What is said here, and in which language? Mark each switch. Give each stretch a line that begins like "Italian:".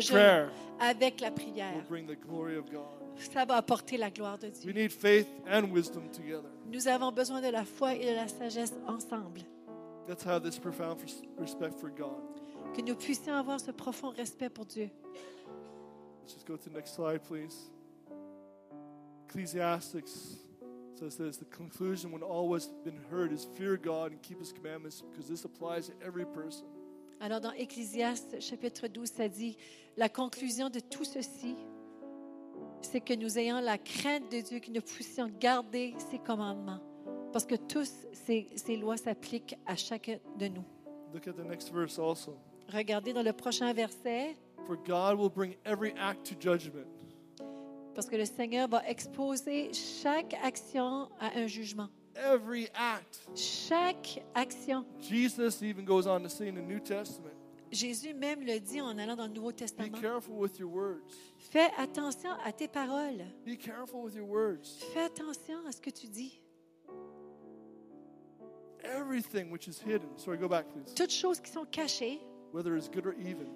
French: jeûne, prayer, avec la prière.
English: We'll bring the glory of God.
French: Ça va apporter la gloire de Dieu.
English: We need faith and wisdom together.
French: Nous avons besoin de la foi et de la sagesse ensemble.
English: Let's have this profound respect for God.
French: Que nous puissions avoir ce profond respect pour Dieu.
English: Let's just go to the next slide, please. Ecclesiastes says this, the conclusion when all has been heard is fear God and keep his commandments because this applies to every person.
French: Alors dans Ecclésiaste chapitre 12, ça dit la conclusion de tout ceci c'est que nous ayons la crainte de Dieu, que nous puissions garder ses commandements. parce que tous ces lois s'appliquent à chacun de nous.
English: Look at the next verse also.
French: Regardez dans le prochain verset.
English: For God will bring every act to judgment.
French: Parce que le Seigneur va exposer chaque action à un jugement.
English: Every act.
French: Chaque action.
English: Jesus even goes on to say in the New Testament.
French: Jésus même le dit en allant dans le Nouveau Testament.
English: Be careful with your words.
French: Fais attention à tes paroles.
English: Be careful with your words.
French: Fais attention à ce que tu dis.
English: Everything which is hidden. Sorry, go back, please.
French: Toutes choses qui sont cachées.
English: Whether it's good or even.